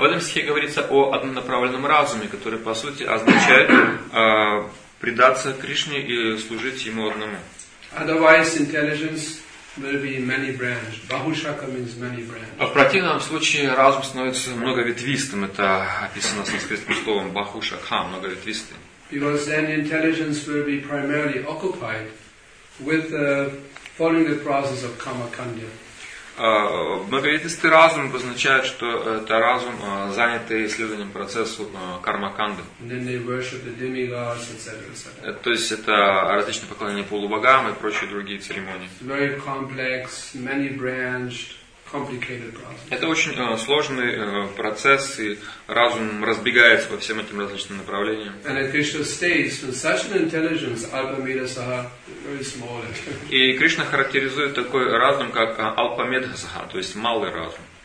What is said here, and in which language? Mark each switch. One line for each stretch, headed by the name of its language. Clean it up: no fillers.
Russian: В этом стихе говорится о однонаправленном разуме, который по сути означает предаться Кришне и служить ему одному.
English: Otherwise, intelligence will be many-branched. Bahushaka means many-branched.
Russian: А в противном случае разум становится многоветвистым. Это описано санскритским словом Bahushaka, многоветвистый.
English: Because then intelligence will be primarily occupied with following the process of kama kandya.
Russian: Многоветвистый разум обозначает, что это разум, занятый исследованием процессу карма канды.
English: And then they worship the demigods, etc.
Russian: То есть это различные поклонения полубогам и прочие другие церемонии.
English: It's very complex, many-branched, complicated process.
Russian: Это очень сложный процесс, и разум разбегается по всем этим различным направлениям.
English: And at Krishna states, with such an intelligence, Alpamedasaha,
Russian: и Кришна характеризует такой разум как алпамедхасаха, то есть малый разум.